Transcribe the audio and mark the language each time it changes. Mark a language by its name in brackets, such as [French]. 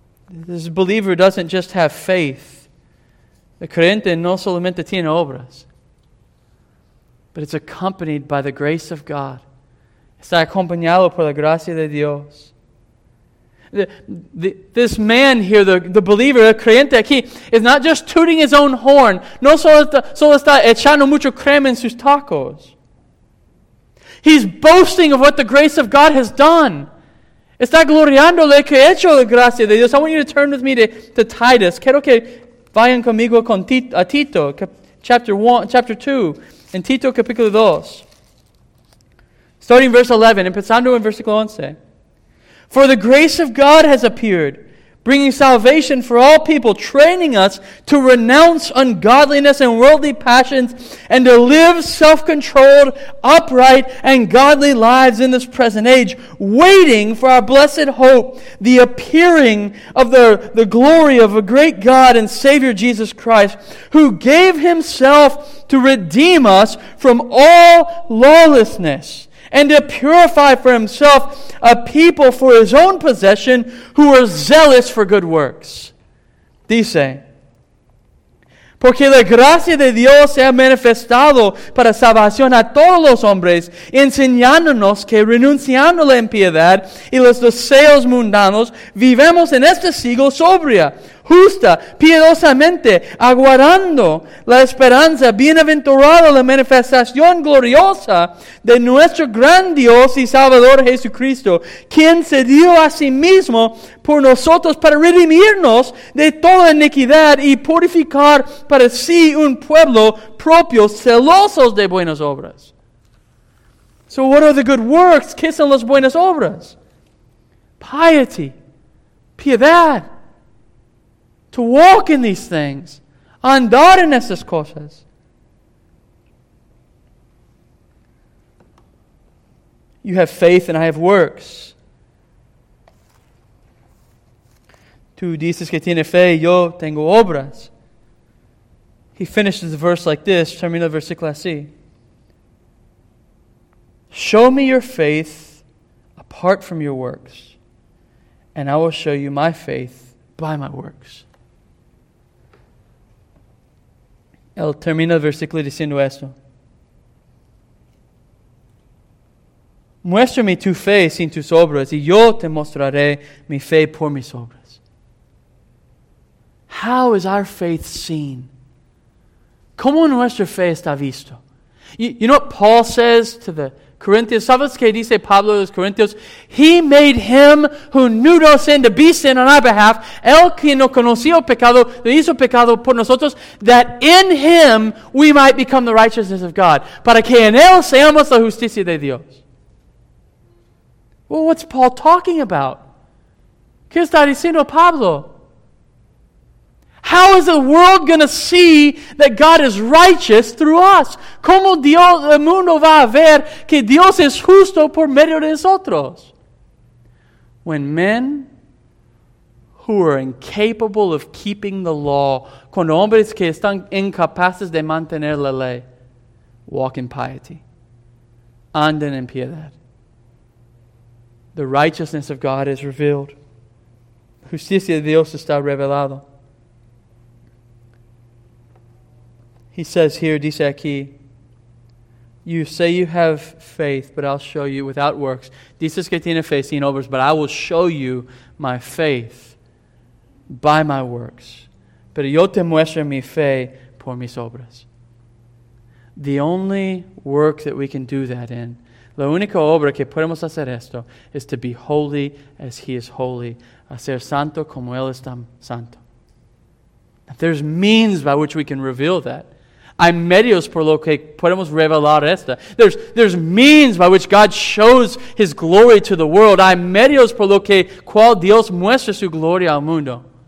[English] This believer doesn't just have faith. The [Spanish] creyente no solamente tiene obras, [English] but it's accompanied by the grace of God. [Spanish] Está acompañado por la gracia de Dios. [English] This man here, the believer, the [Spanish] creyente aquí, [English] is not just tooting his own horn. [Spanish] No solo está echando mucho crema en sus tacos. [English] He's boasting of what the grace of God has done. [Spanish] Está gloriando lo que ha hecho la gracia de Dios. [English] I want you to turn with me to Titus. [Spanish] Quiero que vayan conmigo a Tito, [English] chapter 1, chapter 2, [Spanish] en Tito, capítulo 2. [English] Starting verse 11, [Spanish] empezando en versículo 11. [English] For the grace of God has appeared, bringing salvation for all people, training us to renounce ungodliness and worldly passions and to live self-controlled, upright, and godly lives in this present age, waiting for our blessed hope, the appearing of the glory of a great God and Savior Jesus Christ, who gave himself to redeem us from all lawlessness and to purify for himself a people for his own possession who are zealous for good works. [Spanish] Dice, porque la gracia de Dios se ha manifestado para salvación a todos los hombres, enseñándonos que renunciando a la impiedad y los deseos mundanos, vivamos en este siglo sobria, justa, piedosamente, aguardando la esperanza bienaventurada, la manifestación gloriosa de nuestro gran Dios y Salvador Jesucristo, quien se dio a sí mismo por nosotros para redimirnos de toda iniquidad y purificar para sí un pueblo propio, celosos de buenas obras. [English] So what are the good works? [Spanish] ¿Qué son las buenas obras? [English] Piety, piedad, to walk in these things, [Spanish] andar en estas cosas. [English] You have faith and I have works. [Spanish] Tú dices que tienes fe, yo tengo obras. [English] He finishes the verse like this, [Spanish] termina el versículo así. [English] Show me your faith apart from your works, and I will show you my faith by my works. [Spanish] Él termina el versículo diciendo esto. Muéstrame tu fe sin tus obras, y yo te mostraré mi fe por mis obras. [English] How is our faith seen? [Spanish] ¿Cómo nuestra fe está visto? [English] You know what Paul says to the Corinthians? [Spanish] ¿Sabes qué dice Pablo a los Corintios? [English] He made him who knew no sin to be sin on our behalf. [Spanish] Él quien no conoció pecado, lo hizo pecado por nosotros, [English] that in him we might become the righteousness of God. [Spanish] Para que en él seamos la justicia de Dios. [English] Well, what's Paul talking about? [Spanish] ¿Qué está diciendo Pablo? [English] How is the world going to see that God is righteous through us? [Spanish] ¿Cómo Dios, el mundo va a ver que Dios es justo por medio de nosotros? [English] When men who are incapable of keeping the law, [Spanish] cuando hombres que están incapaces de mantener la ley, [English] walk in piety, [Spanish] andan en piedad. [English] The righteousness of God is revealed. [Spanish] Justicia de Dios está revelado. [English] He says here, [Spanish] dice aquí, [English] you say you have faith, but I'll show you without works. [Spanish] Dices que tiene fe sin obras, [English] but I will show you my faith by my works. [Spanish] Pero yo te muestro mi fe por mis obras. [English] The only work that we can do that in, [Spanish] la única obra que podemos hacer esto, [English] is to be holy as he is holy, [Spanish] a ser santo como él es tan santo. [English] Now, there's means by which we can reveal that. [Spanish] Hay medios por lo que podemos revelar esto. [English] There's means by which God shows his glory to the world. [Spanish] Hay medios por lo que cual Dios muestra su gloria al mundo.